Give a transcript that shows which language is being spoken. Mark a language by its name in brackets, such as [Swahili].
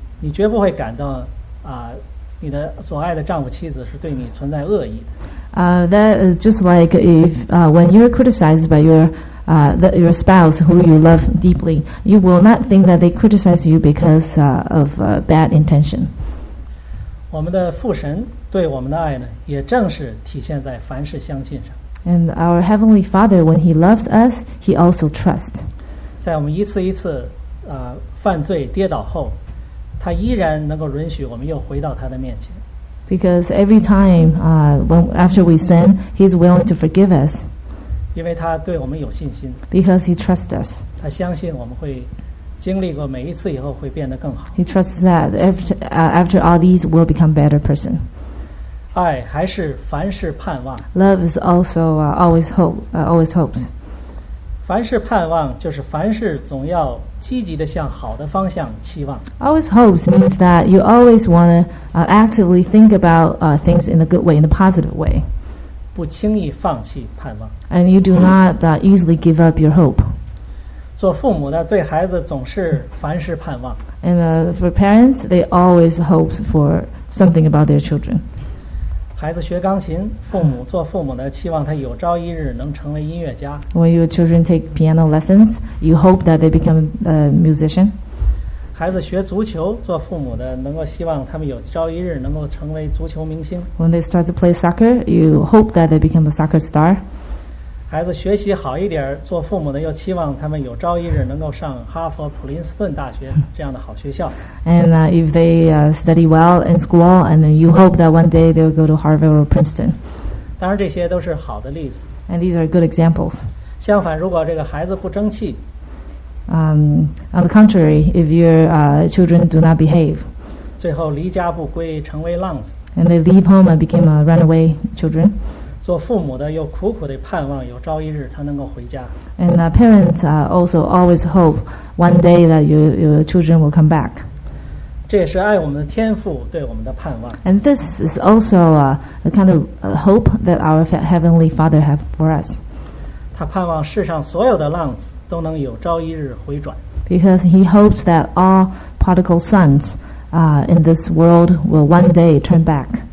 [Chinese] 你绝不会感到你的所爱的丈夫妻子是对你存在恶意的。 [English] That is just like if when you're criticized by your spouse who you love deeply, you will not think that they criticize you because of bad intention. [Chinese] 我们的父神对我们的爱呢，也正是体现在凡事相信上。 [English] And our heavenly Father, when He loves us, He also trusts. [Chinese] 在我们一次一次犯罪跌倒后。他依然能够允许我们又回到他的面前。 [English] Because every time, after we sin, he's willing to forgive us. [Chinese] 因为他对我们有信心。 [English] Because he trusts us. [Chinese] 他相信我们会经历过每一次以后会变得更好。 [English] He trusts that after all these, we'll become better person. [Chinese] 爱还是凡事盼望。 [English] Love is also always hopes. [Chinese] 凡事盼望就是凡事总要积极地向好的方向期望。 [English] Always hopes means that you always want to actively think about things in a good way, in a positive way. [Chinese] 不轻易放弃盼望。 [English] And you do not easily give up your hope. [Chinese] 做父母的对孩子总是凡事盼望。 [English] And for parents, they always hope for something about their children. [Chinese] 孩子学钢琴，父母做父母的期望他有朝一日能成为音乐家。 [English] When your children take piano lessons, you hope that they become a musician. [Chinese] 孩子学足球，做父母的能够希望他们有朝一日能够成为足球明星。 [English] When they start to play soccer, you hope that they become a soccer star. [Chinese] 孩子学习好一点，做父母的又期望他们有朝一日能够上哈佛、普林斯顿大学这样的好学校。 [English] And if they study well in school, and then you hope that one day they'll go to Harvard or Princeton. [Chinese] 当然，这些都是好的例子。 [English] And these are good examples. [Chinese] 相反，如果这个孩子不争气， [English] on the contrary, if your children do not behave, [Chinese] 最后离家不归，成为浪子。 [English] And they leave home and become a runaway children. [Chinese] 做父母的又苦苦地盼望有朝一日他能够回家。 [English] And parents also always hope one day that your children will come back. [Chinese] 这也是爱我们的天父对我们的盼望。 [English] And this is also the kind of hope that our heavenly Father have for us. [Chinese] 他盼望世上所有的浪子都能有朝一日回转。 [English] Because he hopes that all prodigal sons in this world will one day turn back.